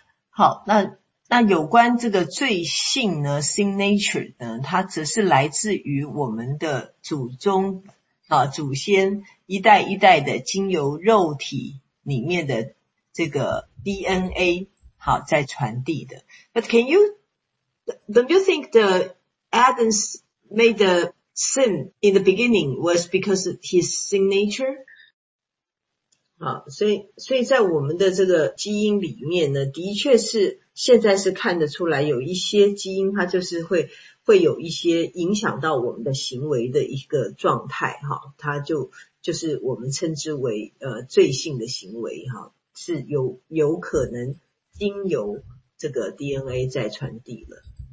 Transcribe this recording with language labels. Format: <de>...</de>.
<zh>好，那有关这个罪性呢 ，sin nature 呢，它则是来自于我们的祖宗啊，祖先一代一代的经由肉体里面的这个 DNA。好，在传递的。</zh> <en>But can you, don't you think the Adam made the sin in the beginning was because of his sin nature?</en> <zh>好，所以在我们的这个基因里面呢，的确是现在是看得出来有一些基因它就是会有一些影响到我们的行为的一个状态，好，它就是我们称之为罪性的行为，好，是有可能经由这个 DNA 再传递了。</zh>